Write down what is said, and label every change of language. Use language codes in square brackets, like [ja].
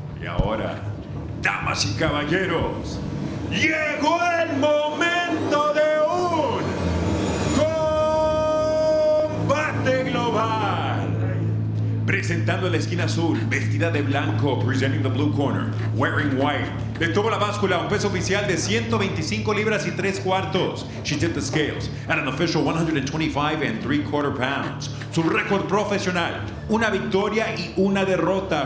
[es] Y ahora, damas y caballeros, llegó el momento de un combate global. Presentando la esquina azul, vestida de blanco, [en] presenting the blue corner, wearing white. [es] Detuvo la báscula, un peso oficial de 125 libras y 3 cuartos. [en] She tipped the scales at an official 125 and 3 quarter pounds. [es] Su récord profesional, una victoria y una derrota.